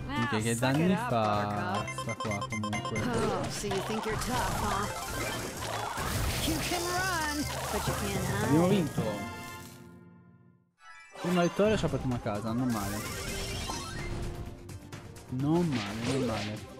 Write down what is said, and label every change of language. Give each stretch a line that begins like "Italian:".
Italian: Che danni fa sta qua comunque.
English: Oh, so you think you're tough, huh? You can run, but you can't.
Italian: Abbiamo vinto. Una vittoria, ci ha portato a casa, non male. Non male, non male.